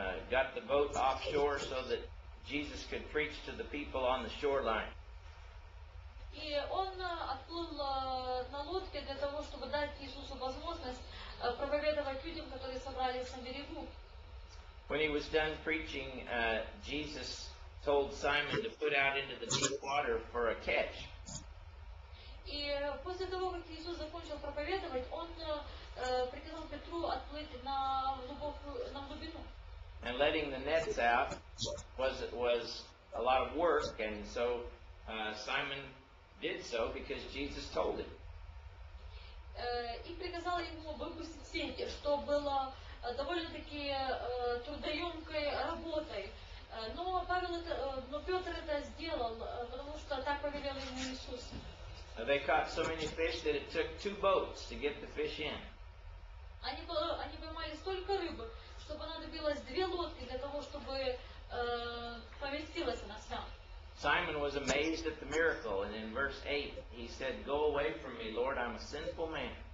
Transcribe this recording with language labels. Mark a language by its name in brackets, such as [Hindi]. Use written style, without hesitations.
[English] Got the boat offshore so that Jesus could preach to the people on the shoreline. [Russian] И он отплыл на лодке для того, чтобы дать Иисусу возможность проповедовать людям, которые собрались на берегу. [English] When he was done preaching, Jesus told Simon to put out into the deep water for a catch. [Russian] И после того, как Иисус закончил проповедовать, он приказал Петру отплыть на глубину. [English] And letting the nets out was a lot of work, and so Simon did so because Jesus told him. [Russian] И приказал ему выпустить сети, что было довольно-таки трудоемкой работой. Но Петр это сделал, потому что так повелел ему Иисус. [English] They caught so many fish that it took two boats to get the fish in. [Russian] Они поймали столько рыбы, что понадобилось две лодки для того, чтобы поместилась она вся. [English] Simon was amazed at the miracle, and in verse 8 he said, "Go away from me, Lord, I'm a sinful man."